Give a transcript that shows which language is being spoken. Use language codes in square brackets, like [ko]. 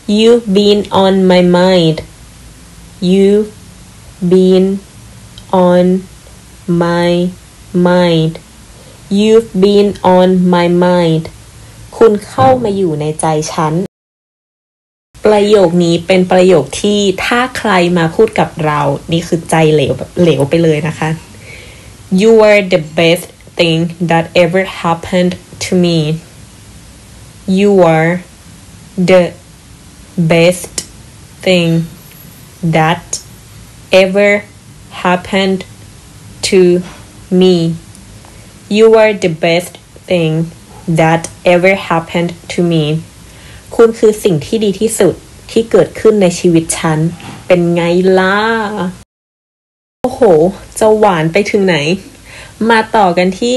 [en] You've been on my mind. You've beenOn my mind. You've been on my mind. [th] คุณเข้ามาอยู่ในใจฉันประโยคนี้เป็นประโยคที่ถ้าใครมาพูดกับเรานี่คือใจเหลวไปเลยนะคะ [en] You are the best thing that ever happened to me. You are the best thing that everHappened to me. You are the best thing that ever happened to me. [th] คุณคือสิ่งที่ดีที่สุดที่เกิดขึ้นในชีวิตฉันเป็นไงล่ะโอ้โหจะหวานไปถึงไหนมาต่อกันที